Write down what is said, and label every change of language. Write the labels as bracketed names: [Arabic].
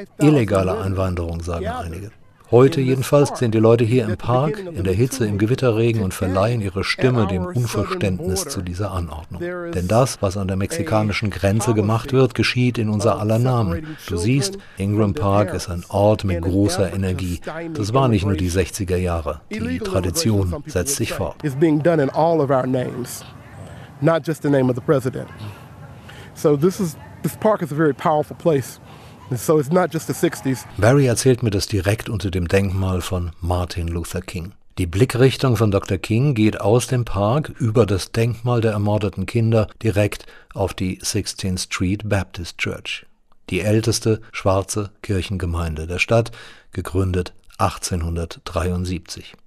[German] Illegale Einwanderung, sagen einige. Heute jedenfalls sind die Leute hier im Park, in der Hitze, im Gewitterregen und verleihen ihre Stimme dem Unverständnis zu dieser Anordnung. Denn das, was an der mexikanischen Grenze gemacht wird, geschieht in unser aller Namen. Du siehst, Ingram Park ist ein Ort mit großer Energie. Das war nicht nur die 60er Jahre. Die Tradition setzt sich fort. [English] It's being done in all of our names, not just the name of the president. So this park is a very powerful place. So it's not just the 60s. [German] Barry erzählt mir das direkt unter dem Denkmal von Martin Luther King. Die Blickrichtung von Dr. King geht aus dem Park über das Denkmal der ermordeten Kinder direkt auf die 16th Street Baptist Church. Die älteste schwarze Kirchengemeinde der Stadt, gegründet 1873.